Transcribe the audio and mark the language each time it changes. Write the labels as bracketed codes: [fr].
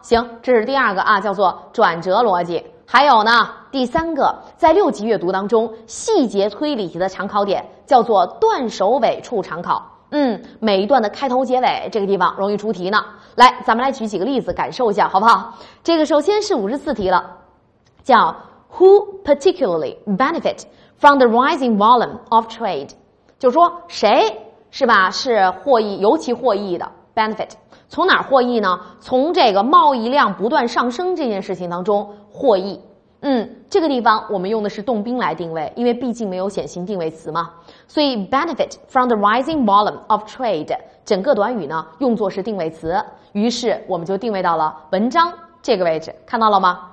[zh] 行，这是第二个啊，叫做转折逻辑。还有呢，第三个在六级阅读当中细节推理题的常考点，叫做段首尾处常考。每一段的开头结尾这个地方容易出题呢。来，咱们来举几个例子感受一下，好不好？这个首先是54题了，叫 [en] Who particularly benefit from the rising volume of trade？ [zh] 就是说谁是吧是获益，尤其获益的 benefit， 从哪获益呢？从这个贸易量不断上升这件事情当中获益。这个地方我们用的是动宾来定位，因为毕竟没有显形定位词嘛，所以 [en] benefit from the rising volume of trade [zh] 整个短语呢用作是定位词，于是我们就定位到了文章这个位置，看到了吗？